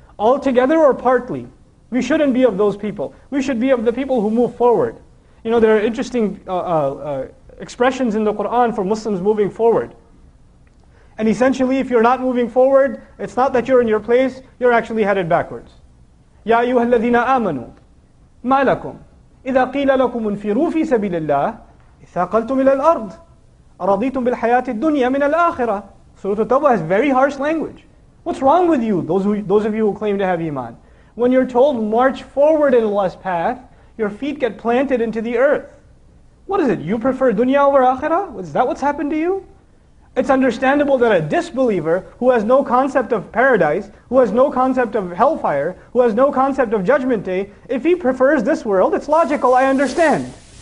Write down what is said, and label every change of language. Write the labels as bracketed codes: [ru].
[en] Altogether or partly, we shouldn't be of those people. We should be of the people who move forward. You know, there are interesting expressions in the Quran for Muslims moving forward. And essentially, if you're not moving forward, it's not that you're in your place, you're actually headed backwards. [ar] يَا أَيُّهَا الَّذِينَ آمَنُوا مَا لَكُمْ إِذَا قِيلَ لَكُمْ انْفِرُوا فِي سَبِيلِ اللَّهِ اثَّاقَلْتُمْ إِلَى الْأَرْضِ أَرَضِيتُمْ بِالْحَيَاةِ الدُّنْيَا مِنَ الْآخِرَةِ [en] Surah At-Tawbah has very harsh language. What's wrong with you, those of you who claim to have iman? When you're told, march forward in Allah's path, your feet get planted into the earth. What is it? You prefer dunya over akhirah? Is that what's happened to you? It's understandable that a disbeliever who has no concept of paradise, who has no concept of hellfire, who has no concept of judgment day, if he prefers this world, it's logical, I understand.